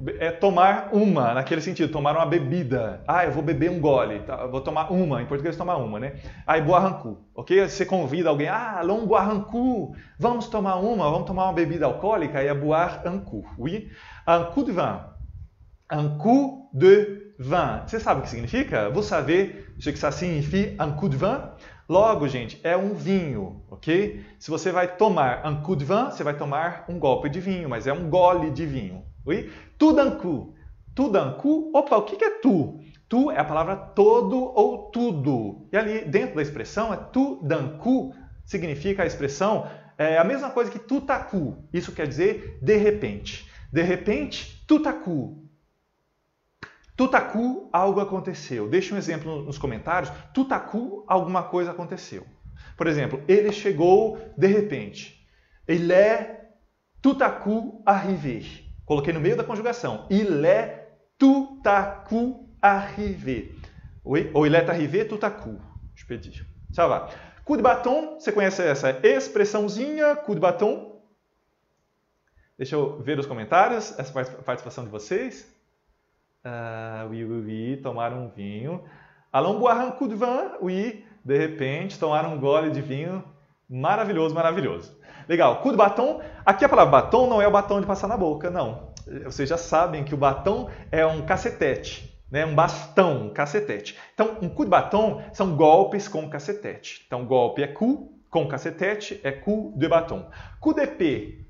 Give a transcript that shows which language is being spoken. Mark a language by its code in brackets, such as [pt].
[pt] É tomar uma, naquele sentido, tomar uma bebida. Ah, eu vou beber um gole, tá? Vou tomar uma, em português tomar uma, né? Aí, [fr] boire un coup, [pt] ok? Você convida alguém, [fr] long boire un coup, [pt] vamos tomar uma, vamos tomar uma bebida alcoólica, aí é [fr] boire un coup, [pt] oui? [fr] Un coup de vin, un coup de vin. [pt] Você sabe o que significa? [fr] Vous savez ce que ça signifie un coup de vin? [pt] Logo, gente, é um vinho, ok? Se você vai tomar [fr] un coup de vin, [pt] você vai tomar um golpe de vinho, mas é um gole de vinho. [fr] Oui? Tout d'un coup. Tout d'un coup. [pt] Opa, o que é tu? Tu é a palavra todo ou tudo. E ali, dentro da expressão, é [fr] tout d'un coup, [pt] significa a expressão, é a mesma coisa que [fr] tout à coup. [pt] Isso quer dizer de repente. De repente, [fr] tout à coup. Tout à coup, [pt] algo aconteceu. Deixe um exemplo nos comentários. [fr] Tout à coup, [pt] alguma coisa aconteceu. Por exemplo, ele chegou de repente. [fr] Il est tout à coup arrivé. [pt] Coloquei no meio da conjugação. [fr] Il est tout à coup arrivé. Ou il est arrivé tout à coup. [pt] Deixa eu pedir. [fr] Ça va. Coup de bâton, [pt] você conhece essa expressãozinha? [fr] Coup de bâton. [pt] Deixa eu ver os comentários, essa participação de vocês. [fr] Oui, [pt] tomar um vinho. [fr] Allons boire un coup de vin, oui. [pt] De repente, tomar um gole de vinho. Maravilhoso, maravilhoso. Legal, [fr] coup de bâton. [pt] Aqui a palavra batom não é o batom de passar na boca, não. Vocês já sabem que o batom é um cacetete, né? Um bastão, um cacetete. Então, um [fr] coup de bâton [pt] são golpes com cacetete. Então, golpe é coup, com cacetete é [fr] coup de bâton. Coup de pé.